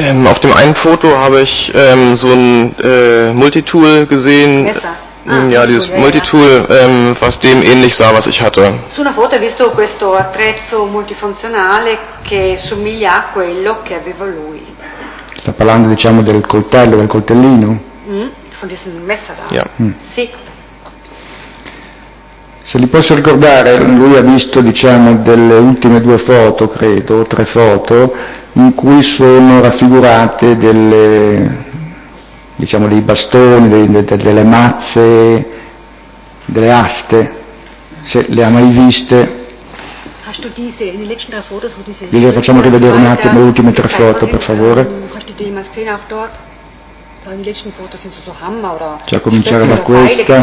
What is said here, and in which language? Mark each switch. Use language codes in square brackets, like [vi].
[de] Auf dem einen Foto habe ich so ein Multitool gesehen. Dieses Multitool, was dem ähnlich sah, was ich hatte. [it] Su una foto hai visto questo attrezzo multifunzionale che somiglia a quello che aveva lui. Sta parlando, diciamo, del coltello, del coltellino. [de] Von diesem Messer da. Ja. [it] Sì. Se li posso ricordare, lui ha visto, diciamo, delle ultime due foto, credo, tre foto, in cui sono raffigurate delle, diciamo, dei bastoni, delle mazze, delle aste, se le ha mai viste. [de] Hast du diese, in den letzten drei Fotos, wo diese [it] Glieder, facciamo rivedere un attimo le ultime tre foto, per favore. Cioè, a cominciare da questa.